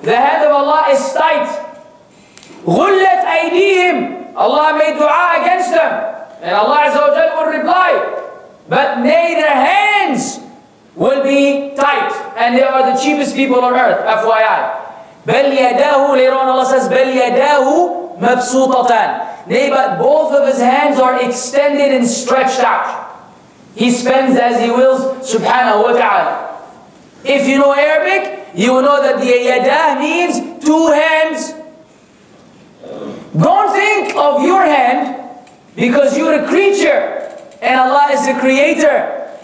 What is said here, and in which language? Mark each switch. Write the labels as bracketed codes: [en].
[en] The hand of Allah is tight. [ar] Ghullat aydihim. [en] Allah made dua against them. And Allah Azza wa Jalla will reply, but neither hands will be tight. And they are the cheapest people on earth, FYI. [ar] بَلْ يَدَاهُ [en] Later on Allah says, [ar] بَلْ يَدَاهُ مَبْسُوطَتَانِ. [en] Nay, but both of his hands are extended and stretched out. He spends as he wills, subhanahu wa ta'ala. If you know Arabic, you will know that the yadah means two hands. Don't think of your hand, because you're a creature, and Allah is the creator.